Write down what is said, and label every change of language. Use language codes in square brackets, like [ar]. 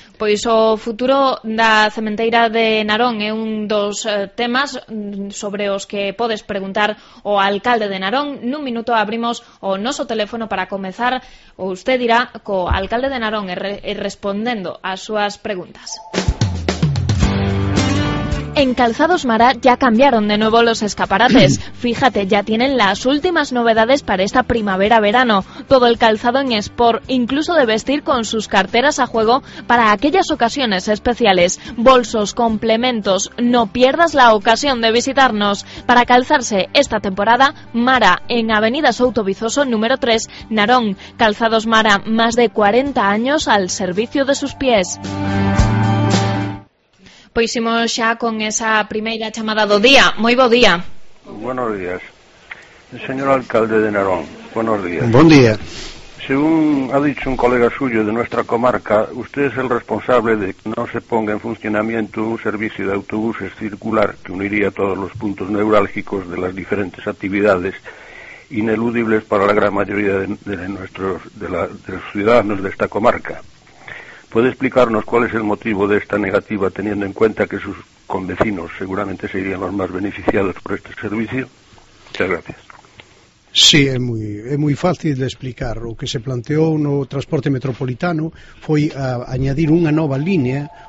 [gl] Pois o futuro da cementeira de Narón é un dos temas sobre os que podes preguntar ao alcalde de Narón. Nun minuto abrimos o noso teléfono para comezar, ou usted dirá co alcalde de Narón respondendo ás súas preguntas. [es] En Calzados Mara ya cambiaron de nuevo los escaparates. Fíjate, ya tienen las últimas novedades para esta primavera-verano. Todo el calzado en sport, incluso de vestir con sus carteras a juego para aquellas ocasiones especiales. Bolsos, complementos, no pierdas la ocasión de visitarnos. Para calzarse esta temporada, Mara, en Avenida Souto Vizoso número 3, Narón. Calzados Mara, más de 40 años al servicio de sus pies. [gl] Pois imos xa con esa primeira chamada do día. Moi bo día. [es] Buenos días. Señor alcalde de Narón, buenos días. [gl] Bon día. [es] Según ha dicho un colega suyo de nuestra comarca, usted es el responsable de que no se ponga en funcionamiento un servicio de autobuses circular que uniría todos los puntos neurálgicos de las diferentes actividades ineludibles para la gran mayoría de los ciudadanos de esta comarca. ¿Puede explicarnos cuál es el motivo de esta negativa, teniendo en cuenta que sus convecinos seguramente serían los más beneficiados por este servicio? Muchas gracias. [gl] Sí, é moi fácil de explicar. O que se planteou no transporte metropolitano foi añadir unha nova línea